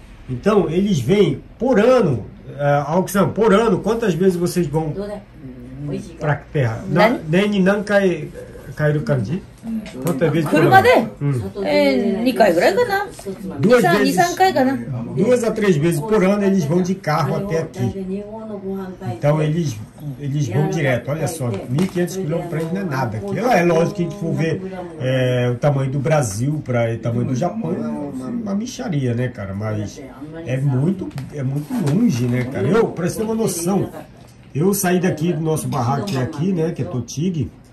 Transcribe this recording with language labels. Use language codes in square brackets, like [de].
[pt] Então, eles vêm por ano, Aoki-san, por ano, quantas vezes vocês vão para a terra? [ja] Nani? Nani, nankai, 帰る感じ、うん、車で、うん2回ぐらいかな、2、3回かな、 [pt] 2 a 3 vezes por ano eles vão de carro até aqui, então eles, eles vão direto, olha só, 1.500 km para eles não é nada, aqui. É lógico que a gente for ver é, o tamanho do Brasil para o tamanho do Japão, é uma micharia, né cara, mas é muito longe, né cara, eu, para você ter uma noção, eu saí daqui do nosso barraque aqui, né, que é Totig.